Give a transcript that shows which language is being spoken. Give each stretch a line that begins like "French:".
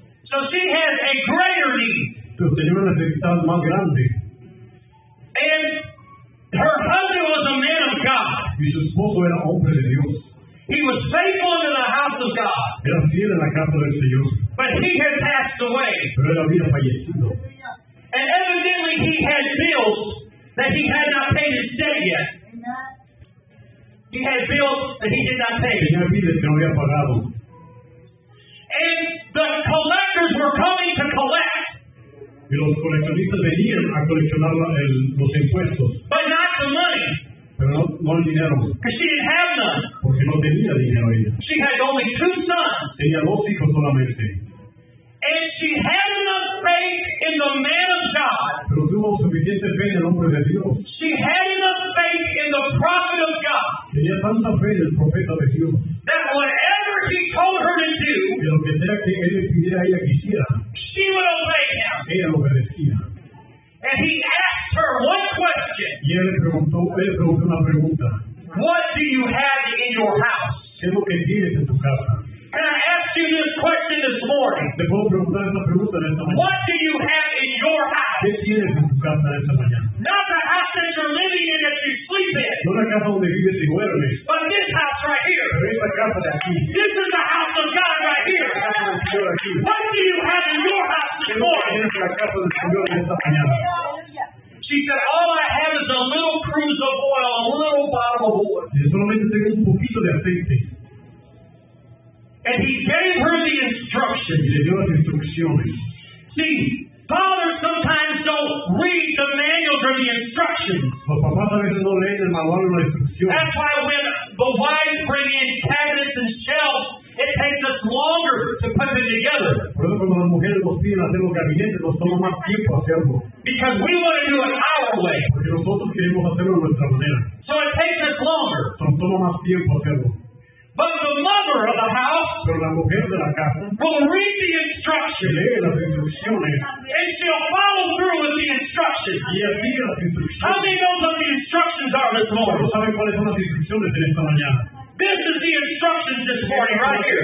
English: So she has a greater need.
Spanish: Pero tenía una necesidad más grande.
English: And her husband was a man of God.
Spanish: Y su esposo era hombre de Dios.
English: He was faithful in the house of God.
Spanish: Era fiel en la casa del Señor.
English: But he had passed away.
Spanish: Pero él había fallecido.
English: And evidently he had bills that he had not paid his debt yet. He had bills that he did not pay.
Spanish: Tenía bills que no había pagado.
English: And the collectors were coming to collect.
Spanish: Y los coleccionistas venían a coleccionar los impuestos.
English: But not the money.
Spanish: Pero no, no el dinero.
English: Because she didn't have none.
Spanish: Porque no tenía dinero ella.
English: She had only two sons.
Spanish: Tenía dos hijos solamente.
English: And she had enough faith in the man of God.
Spanish: Pero tuvo suficiente fe en el hombre de Dios.
English: She had enough faith in the prophet of God.
Spanish: Tenía tanta fe en el profeta de Dios.
English: That whatever he told her to do,
Spanish: que lo que sea que él pidiera ella quisiera,
English: she would obey him.
Spanish: Ella lo obedecía.
English: And he asked her one question.
Spanish: Y él preguntó una pregunta.
English: What do you have in your house?
Spanish: ¿Qué es lo que tienes en tu casa?
English: Can I ask you this question this morning?
Spanish: Te puedo preguntar esta pregunta en esta mañana.
English: What do you have in your house?
Spanish: ¿Qué tienes en tu casa en esta mañana?
English: Not the house that you're living in that you sleep in.
Spanish: No la casa donde vives y duermes.
English: But this house right here.
Spanish: Pero esta casa de aquí.
English: This is the house of God right here.
Spanish: La casa del Señor aquí.
English: What do you have in your house this morning?
Spanish: ¿Qué tienes en la casa del Señor en esta mañana?
English: She said, all I have is a little cruse of oil, a little bottle of oil.
Spanish: Yo solamente tengo un poquito de aceite.
English: And he gave her the instructions.
Spanish: Le dio las instrucciones.
English: See, fathers sometimes don't read the manuals or the instructions.
Spanish: Los papás a veces no leen el manual o la instrucción.
English: That's why when the wives bring in cabinets and shelves, it takes us longer to put them together.
Spanish: Por eso cuando las mujeres nos piden hacer los gabinetes, nos toma más tiempo hacerlo.
English: Because we want to do it our way.
Spanish: Porque nosotros queremos hacerlo de nuestra manera.
English: So it takes us longer.
Spanish: Nos toma más tiempo hacerlo.
English: But the mother of the house,
Spanish: pero la mujer de la casa,
English: will read the instructions.
Spanish: Lee las instrucciones.
English: And she'll follow through with the instructions.
Spanish: Y así las instrucciones.
English: How many know what the instructions are this morning?
Spanish: ¿Saben cuáles son las instrucciones en esta mañana?
English: This is the instructions this morning right here.